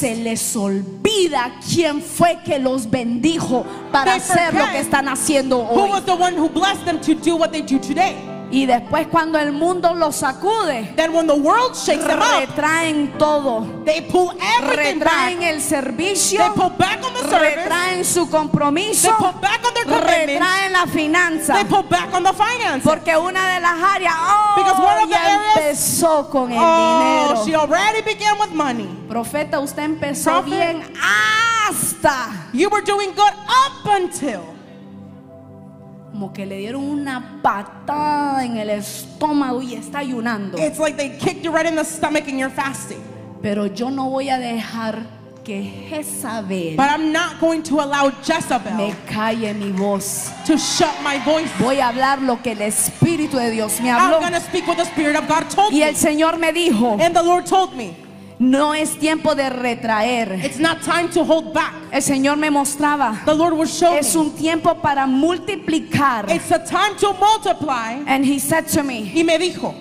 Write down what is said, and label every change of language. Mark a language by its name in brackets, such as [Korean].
[Spanish] Se les olvida quién fue que los bendijo para hacer lo que están haciendo hoy. [English] Who was the one who blessed them to do what they do today? [Spanish] Y después cuando el mundo los sacude, [English] then when the world shakes them up, [Spanish] retraen todo. [English] They pull everything back. [Spanish] Retraen el servicio. [English] They pull back on the service. [Spanish] Retraen su compromiso. [English] They pull back on their commitment. [Spanish] Retraen la finanza. [English] They pull back on the finances. [Spanish] Porque una de las áreas, [English] because one of the areas, [Spanish] empezó con el dinero. [English] She already began with money. [Spanish] Profeta, usted empezó Prophet, bien hasta. [English] You were doing good up until. [Spanish] Como que le dieron una patada en el estómago y está ayunando. [English] It's like they kicked you right in the stomach and you're fasting. [Spanish] Pero yo no voy a dejar que Jezabel. [English] But I'm not going to allow Jezebel. [Spanish] Me calle mi voz. [English] To shut my voice. [Spanish] Voy a hablar lo que el Espíritu de Dios me habló. [English] I'm going to speak what the Spirit of God told me. [Spanish] Y el Señor me dijo. [English] And the Lord told me. [Spanish] No es tiempo de retraer. [English] It's not time to hold back. [Spanish] El Señor me mostraba. [English] The Lord was showing. [Spanish] Es un tiempo para multiplicar. [English] It's a time to multiply. And he said to me. [Spanish] Y me dijo.